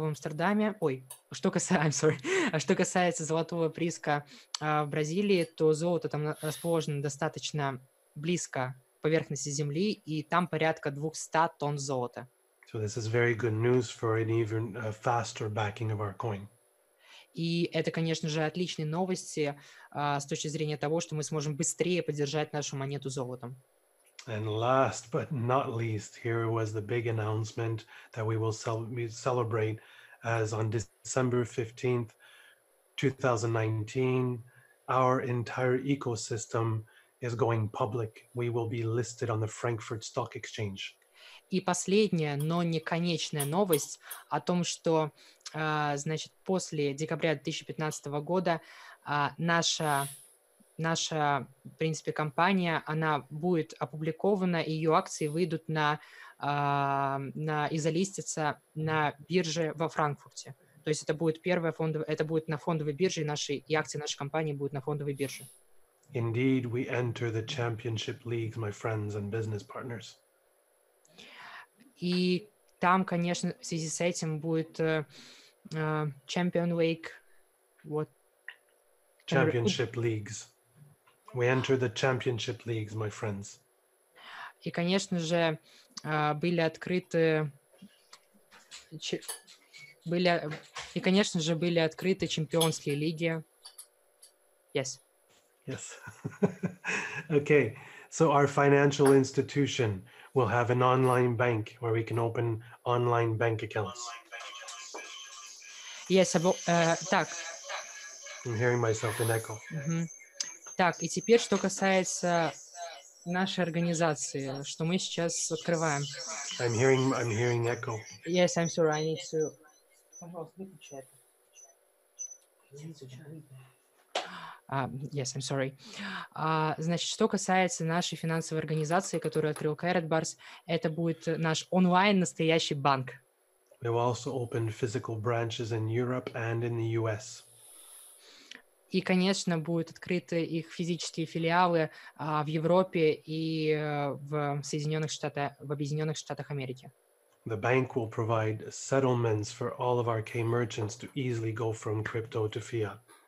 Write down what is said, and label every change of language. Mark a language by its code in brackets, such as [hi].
[ru] Что касается золотого прииска в Бразилии, то золото там расположено достаточно близко к поверхности земли, и там порядка 200 тонн золота. [en] So this is very good news for an even faster backing of our coin. [ru] И это, конечно же, отличные новости с точки зрения того, что мы сможем быстрее поддержать нашу монету золотом. [en] And last but not least, here was the big announcement that we will celebrate as on December 15th, 2019, our entire ecosystem is going public. We will be listed on the Frankfurt Stock Exchange. [ru] И последняя, но не конечная новость о том, что, значит, после декабря 2015 года наша, в принципе, компания, она будет опубликована, и ее акции выйдут и залистятся на бирже во Франкфурте. То есть это будет первая фондовая, это будет на фондовой бирже, и акции нашей компании будут на фондовой бирже. [en] Indeed, we enter the championship leagues, my friends and business partners. [ru] И там, конечно, в связи с этим будет Champion League. [en] What? Championship leagues. We enter the championship leagues, my friends. [ru] И, конечно же, были открыты чемпионские лиги. [en] Yes. Yes. Okay. So our financial institution will have an online bank where we can open online bank accounts. Yes, [ru] так. [en] I'm hearing myself in echo. Mm-hmm. [ru] Так, и теперь, что касается нашей организации, что мы сейчас открываем. [en] I'm hearing echo. Yes, I'm sorry, I need to... yes, I'm sorry. [ru] Значит, что касается нашей финансовой организации, которую открыл Carrot Bars, это будет наш онлайн настоящий банк. [en] We've also opened physical branches in Europe and in the US. [ru] И, конечно, будут открыты их физические филиалы в Европе и в Объединенных Штатах Америки. [en] The bank will provide settlements for all of our K merchants to easily go from crypto to fiat.